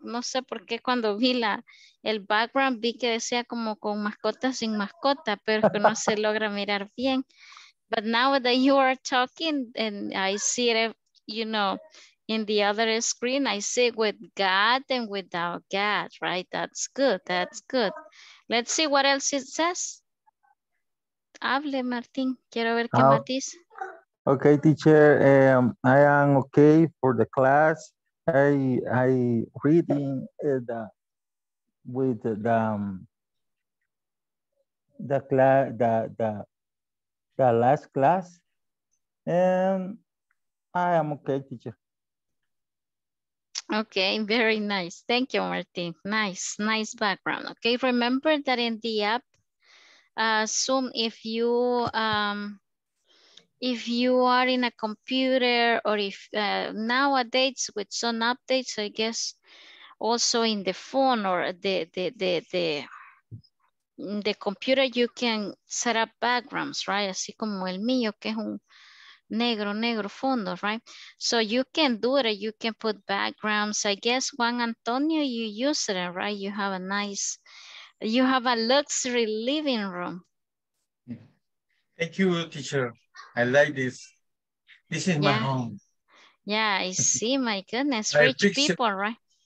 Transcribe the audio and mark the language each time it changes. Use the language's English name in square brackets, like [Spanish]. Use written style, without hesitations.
[Spanish] No sé por qué cuando vi la el background vi que decía como con mascota sin mascota, pero que no se logra mirar bien. [English] But now that you are talking and I see it, you know, in the other screen, I see with God and without God, right? That's good. That's good. Let's see what else it says. Hable, Martin. [Spanish] Quiero ver qué más dice. [English] Okay, teacher. I am okay for the class. I reading the with the class the last class and. I am okay, teacher. Okay, very nice. Thank you, Martin. Nice, nice background. Okay, remember that in the app, Zoom, if you are in a computer or if nowadays with some updates, I guess also in the phone or the computer, you can set up backgrounds, right? [Spanish] Así como el mío, que es un negro, negro fondo, right? [English] So you can do it. You can put backgrounds. I guess Juan Antonio, you use it, right? You have a nice, you have a luxury living room. Thank you, teacher. I like this. This is my home. Yeah, I see. My goodness. Rich people, right?